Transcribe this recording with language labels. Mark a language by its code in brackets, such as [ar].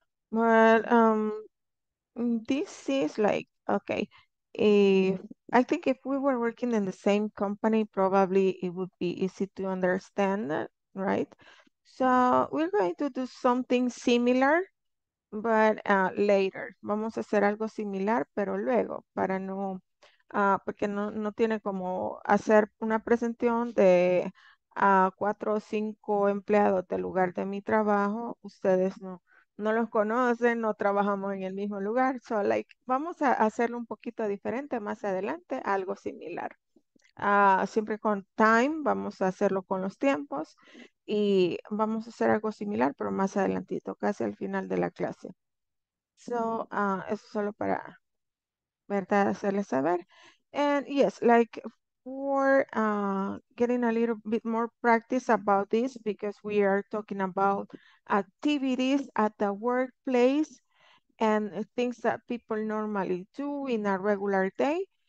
[en] Well, this is like, okay, I think if we were working in the same company, probably it would be easy to understand, right? So we're going to do something similar, but later. [es] Vamos a hacer algo similar, pero luego, para no, porque no tiene como hacer una presentación de 4 o 5 empleados del lugar de mi trabajo. Ustedes no los conocen, no trabajamos en el mismo lugar. [en] So, like, [es] vamos a hacerlo un poquito diferente más adelante, algo similar. Siempre con time, vamos a hacerlo con los tiempos y vamos a hacer algo similar, pero más adelantito, casi al final de la clase. [en] So, [es] eso solo para, ¿verdad?, hacerles saber. [en] And yes, like, we're getting a little bit more practice about this because we are talking about activities at the workplace and things that people normally do in a regular day.